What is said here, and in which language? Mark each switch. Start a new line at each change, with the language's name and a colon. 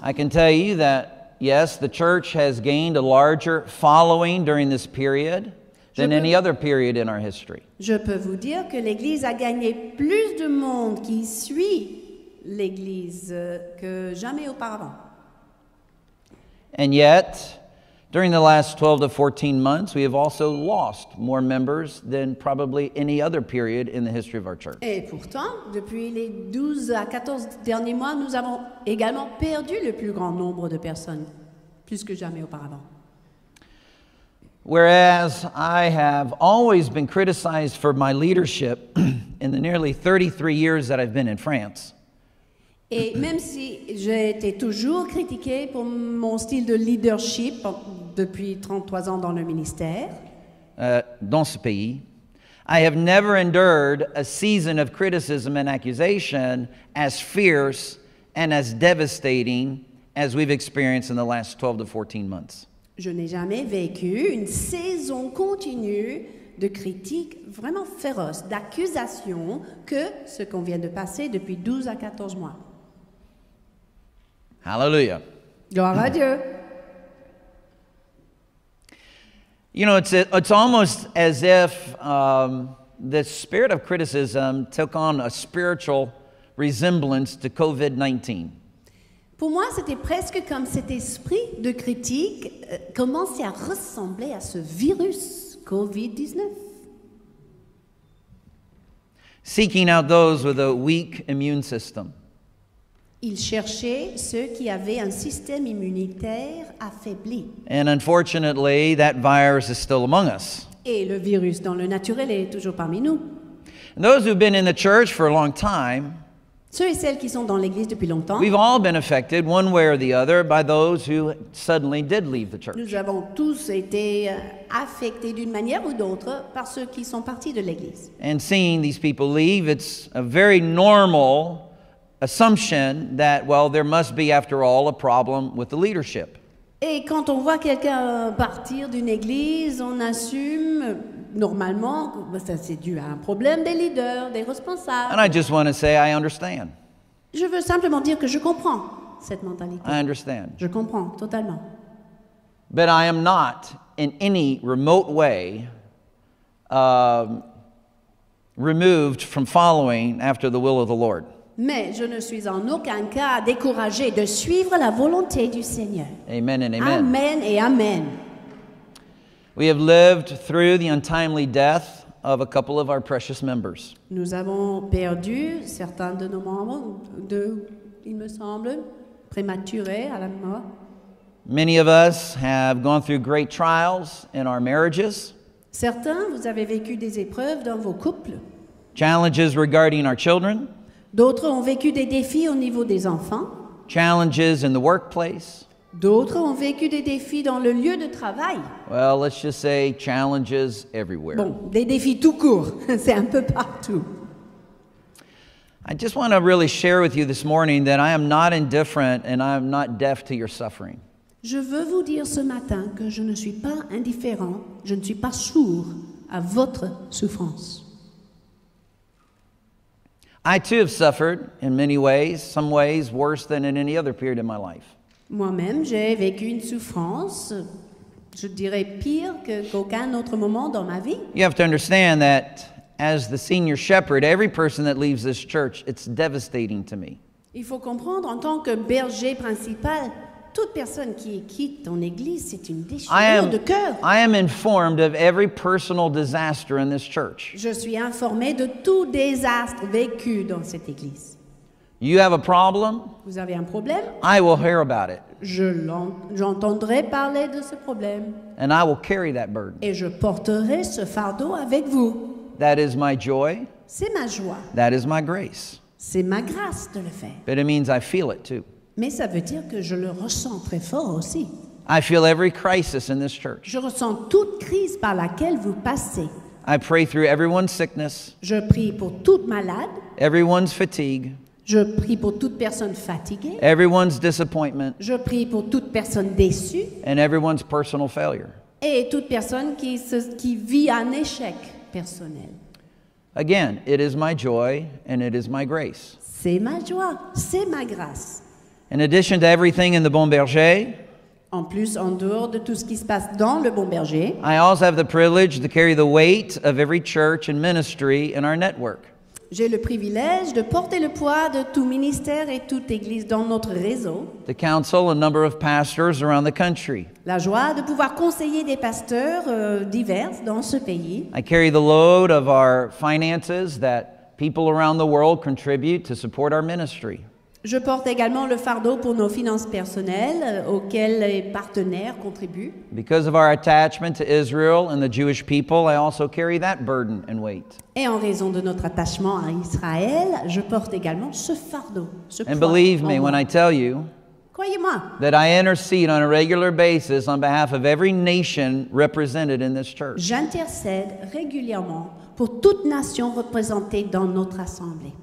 English: I can tell you that, yes, the church has gained a larger following during this period than any other period in our history.
French: Je peux vous dire que l'Église a gagné plus de monde qui suit l'Église que jamais auparavant.
English: And yet, during the last 12 to 14 months, we have also lost more members than probably any other period in the history of our church.
French: Et pourtant, depuis les 12 à 14 derniers mois, nous avons également perdu le plus grand nombre de personnes, plus que jamais auparavant.
English: Whereas I have always been criticized for my leadership in the nearly 33 years that I've been in France.
French: Et même si j'ai été toujours critiqué pour mon style de leadership depuis 33 ans dans le ministère. Dans ce pays,
English: I have never endured a season of criticism and accusation as fierce and as devastating as we've experienced in the last 12 to 14 months.
French: Je n'ai jamais vécu une saison continue de critiques vraiment féroces, d'accusations que ce qu'on vient de passer depuis 12 à 14 mois.
English: Hallelujah.
French: Gloire à Dieu.
English: You know, it's almost as if the spirit of criticism took on a spiritual resemblance to COVID-19.
French: Pour moi, c'était presque comme cet esprit de critique commençait à ressembler à ce virus COVID-19.
English: Seeking out those with a weak immune system.
French: Ils cherchaient ceux qui avaient un système immunitaire affaibli.
English: And unfortunately, that virus is still among us.
French: Et le virus dans le naturel est toujours parmi nous.
English: And those who've been in the church for a long time,
French: ceux et celles qui sont dans l'Église depuis longtemps,
English: we've all been affected one way or the other by those who suddenly did leave the church.
French: Nous avons tous été affectés d'une manière ou d'autre par ceux qui sont partis de l'Église.
English: And seeing these people leave, it's a very normal assumption that, well, there must be, after all, a problem with the leadership.
French: Et quand on voit quelqu'un partir d'une Église, on assume normalement, ça c'est dû à un problème des leaders, des responsables.
English: And I just want to say I understand.
French: Je veux simplement dire que je comprends cette mentalité.
English: I understand.
French: Je comprends totalement.
English: But I am not in any remote way removed from following after the will of the Lord.
French: Mais je ne suis en aucun cas découragé de suivre la volonté du Seigneur.
English: Amen and amen.
French: Amen et amen.
English: We have lived through the untimely death of a couple of our precious members.
French: Nous avons perdu certains de nos membres, deux, il me semble, prématurés à la mort.
English: Many of us have gone through great trials in our marriages.
French: Certains, vous avez vécu des épreuves dans vos couples.
English: Challenges regarding our children.
French: D'autres ont vécu des défis au niveau des enfants.
English: Challenges in the workplace.
French: D'autres ont vécu des défis dans le lieu de travail.
English: Well, let's just say challenges everywhere.
French: Bon, des défis tout court, c'est un peu partout.
English: I just want to really share with you this morning that I am not indifferent and I am not deaf to your suffering.
French: Je veux vous dire ce matin que je ne suis pas indifférent, je ne suis pas sourd à votre souffrance.
English: I too have suffered in many ways, some ways worse than in any other period in my life.
French: Moi-même, j'ai vécu une souffrance, je dirais pire que qu'aucun autre moment dans ma vie.
English: You have to understand that as the senior shepherd, every person that leaves this church, it's devastating to me.
French: Il faut comprendre, en tant que berger principal, toute personne qui quitte ton église, c'est une déchirure de cœur.
English: I am informed of every personal disaster in this church.
French: Je suis informé de tout désastre vécu dans cette église.
English: You have a problem?
French: Vous avez un problème?
English: I will hear about it.
French: J'entendrai parler de ce problème.
English: And I will carry that burden.
French: Et je porterai ce fardeau avec vous.
English: That is my joy.
French: C'est ma joie.
English: That is my grace.
French: C'est ma grâce de le faire.
English: But it means I feel it too.
French: Mais ça veut dire que je le ressens très fort aussi.
English: I feel every crisis in this church.
French: Je ressens toute crise par laquelle vous passez.
English: I pray through everyone's sickness.
French: Je prie pour toute malade.
English: Everyone's fatigue.
French: Je prie pour toute personne fatiguée.
English: Everyone's disappointment.
French: Je prie pour toute personne déçue.
English: And everyone's personal failure.
French: Et toute personne qui vit un échec personnel.
English: Again, it is my joy and it is my grace.
French: C'est ma joie, c'est ma grâce.
English: In addition to everything in the Bon Berger,
French: en plus, en dehors de tout ce qui se passe dans le Bon Berger,
English: I also have the privilege to carry the weight of every church and ministry in our network.
French: J'ai le privilège de porter le poids de tout ministère et toute église dans notre réseau.
English: The council, a number of pastors around the country.
French: La joie de pouvoir conseiller des pasteurs divers dans ce pays.
English: I carry the load of our finances that people around the world contribute to support our ministry.
French: Je porte également le fardeau pour nos finances personnelles auxquelles les partenaires contribuent.
English: Because of our attachment to Israel and the Jewish people, I also carry that burden and weight.
French: Et en raison de notre attachement à Israël, je porte également ce fardeau, ce poids.
English: And believe me when I tell you,
French: croyez-moi,
English: that I intercede on a regular basis on behalf of every nation represented in this church.
French: J'intercède régulièrement pour toute nation représentée dans notre assemblée.